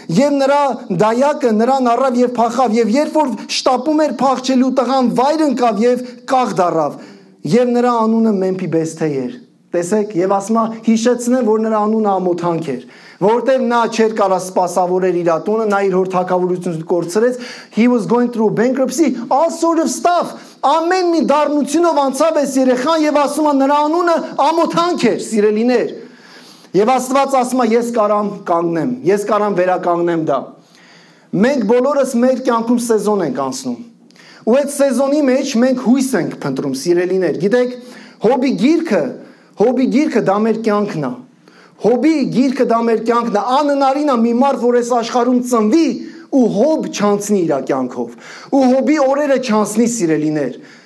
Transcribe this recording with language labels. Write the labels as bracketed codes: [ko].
[hy] եւ նրա դայակը նրան առավ եւ փախավ, եւ երբ որ շտապում էր փախչելու տղան, վայր ընկավ եւ կաղ դառավ, եւ նրա անունը Մեմփիբեսթե էր։ տեսեք, եւ ասումա հիշեցնեմ, որ նրա անունը Ամոթանք էր, որտեղ նա չէր կարա սպասավորել իր տունը, նա իր հոր թակավորությունը կորցրեց. [en] He was going through bankruptcy, all sort of stuff. [hy] Ամեն մի դառնությունով անցավ այս երեխան եւ ասումա նրա անունը Ամոթանք էր, սիրելիներ. Եվ Աստված ասումա, ես կարամ կանգնեմ, ես կարամ վերականգնեմ դա. Մենք բոլորս մեր կյանքում սեզոն ենք անցնում։ Ու այդ սեզոնի մեջ մենք հույս ենք փնտրում, սիրելիներ։ Գիտեք, հոբի գիրքը դա մեր կյանքն է։ Հոբի գիրքը դա մեր կյանքն է։ Անհնարին է մի մարդ, որ այս աշխարհում ծնվի ու հոբ չանցնի իր կյանքով։ Ու հոբի օրերը չանցնի, սիրելիներ։